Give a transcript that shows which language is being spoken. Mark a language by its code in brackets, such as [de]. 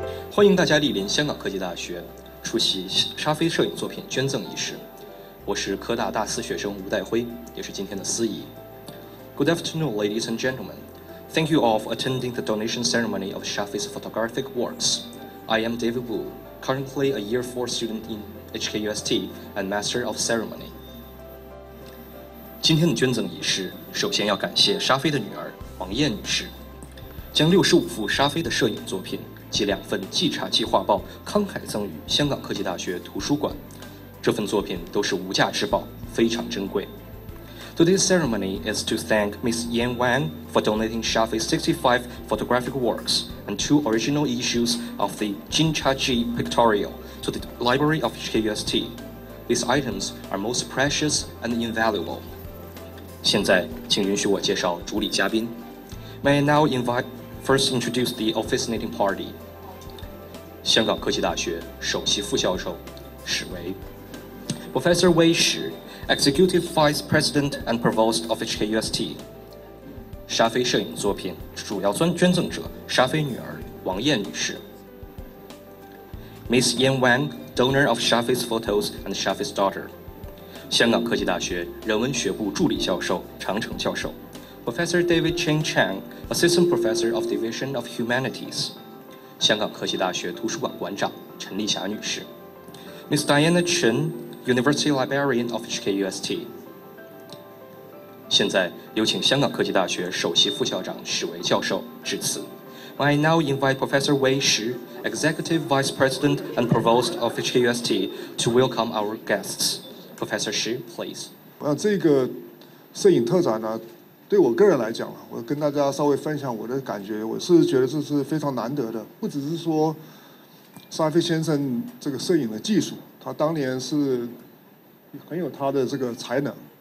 [zh] 欢迎大家莅临香港科技大学出席沙飞摄影作品捐赠仪式。我是科大大四学生吴代辉，也是今天的司仪。 [en] Good afternoon, ladies and gentlemen. Thank you all for attending the donation ceremony of Sha Fei's photographic works. I am David Wu, currently a year 4 student in HKUST and master of ceremony. [zh] 今天的捐赠仪式首先要感谢沙飞的女儿王燕女士，将65幅沙飞的摄影作品及两份稽查计划报慷慨赠予香港科技大学图书馆。这份作品都是无价之宝，非常珍贵。 [en] Today's ceremony is to thank Ms. Yan Wang for donating Sha Fei's 65 photographic works and two original issues of the Jin Cha Ji Pictorial to the Library of HKUST. These items are most precious and invaluable. [zh] 现在请允许我介绍主礼嘉宾。 [en] May I now first introduce the officiating party. [zh] 香港科技大学首席副教授史维， [en] Professor Wei Shi, Executive Vice President and Provost of HKUST. [zh] 沙飞摄影作品主要捐赠者沙飞女儿王燕女士。 [en] Ms. Yan Wang, Donor of Sha Fei's Photos and Sha Fei's Daughter. [zh] 香港科技大学人文学部助理教授常成教授。 [en] Professor David Cheng Chang, Assistant Professor of Division of Humanities. [zh] 香港科技大学图书馆馆长陈丽霞女士。 [en] Ms. Diana Chen,University Librarian of HKUST. [zh] 现在有请香港科技大学首席副校长史维教授致辞。 [en] I now invite Professor Wei Shi, Executive Vice President and Provost of HKUST, to welcome our guests. Professor Shi, please. [zh] 这个摄影特展呢，对我个人来讲，我跟大家稍微分享我的感觉，我是觉得这是非常难得的，不只是说沙飞先生这个摄影的技术，他当年是很有他的这个才能。